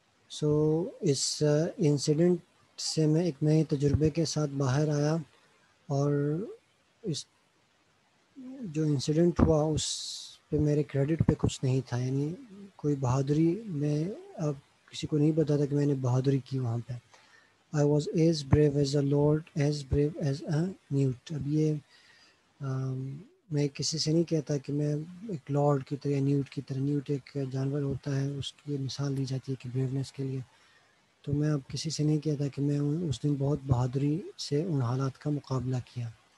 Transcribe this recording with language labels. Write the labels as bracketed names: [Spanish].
[Hindi] सो इस इंसिडेंट से मैं एक नए तजुर्बे के साथ बाहर आया, और इस जो इंसिडेंट हुआ उस पे मेरे क्रेडिट पे कुछ नहीं था, यानी कोई बहादुरी, मैं अब किसी को नहीं बताता कि मैंने बहादुरी की वहाँ पे. [English] I was as brave as a lord, as brave as a newt. [Hindi] अब ये मैं किसी से नहीं कहता कि मैं एक लॉर्ड की तरह, न्यूट की तरह, न्यूट एक जानवर होता है, उसकी मिसाल दी जाती है कि ब्रेवनेस के लिए, तो मैं अब किसी से नहीं कहता कि मैं उस दिन बहुत बहादुरी से उन हालात का मुकाबला किया।